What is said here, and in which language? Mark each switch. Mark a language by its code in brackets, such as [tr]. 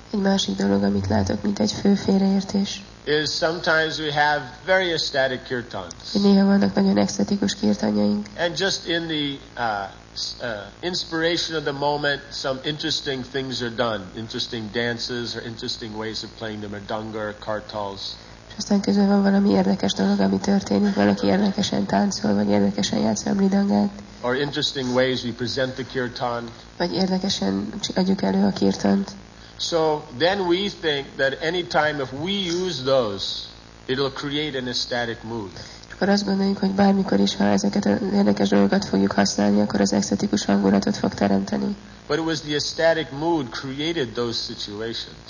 [hu] Egy másik dolog, amit látok, mint egy fő félreértés. [en] Is sometimes we have very ecstatic kirtans. [hu] Néha vannak nagyon ecstatikus kirtanjaink. [en] And just in the inspiration of the moment, some interesting things are done, interesting dances or interesting ways of playing the madanga or kartals. [hu] És aztán közben van valami érdekes dolog, ami történik, valaki érdekesen táncol, vagy érdekesen játszik a mridangát. [en] Or interesting ways we present the kirtan. [hu] Vagy érdekesen adjuk elő a kirtant. [en] So then we think that any time if we use those, it'll create an ecstatic mood. [hu] Akkor azt gondoljuk, hogy bármikor is, ha ezeket az érdekes dolgokat fogjuk használni, akkor az ecstatikus hangulatot fog teremteni. [en] But it was the ecstatic mood created those situations.